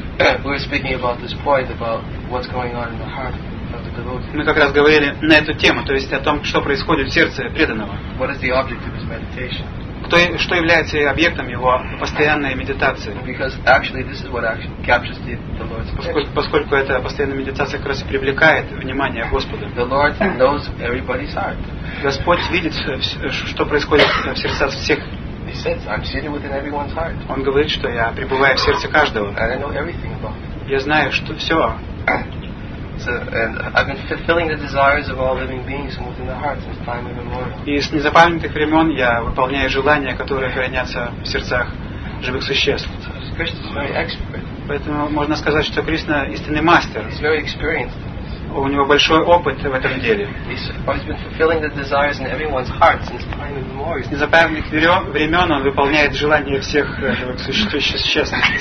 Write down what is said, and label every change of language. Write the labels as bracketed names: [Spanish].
[English] We were speaking about this point about what's going on in the heart of the devotee. [Russian] Мы как раз говорили на эту тему, то есть о том, что происходит в сердце преданного. [English] What is the object of his meditation? [Russian] Кто, что является объектом его постоянной медитации? [English] Because actually this is what actually captures the Lord's attention. [Russian] Поскольку эта постоянная медитация как раз и привлекает внимание Господа. [English] The Lord knows everybody's heart. [Russian] Господь видит, что происходит в сердцах всех. [English] He says, I'm sitting within everyone's heart. [Russian] Он говорит, что я пребываю в сердце каждого. [English] And I know everything about it. [Russian] Я знаю, что все. [English] I've been fulfilling the desires of all living beings within the heart since time immemorial. [Russian] И с незапамятных времен я выполняю желания, которые хранятся в сердцах живых существ. [English] So Krishna's very expert. [Russian] Поэтому можно сказать, что Кришна истинный мастер. [English] He's very experienced. [Russian] У него большой опыт в этом деле. С незапамятных времен он выполняет желания всех существ.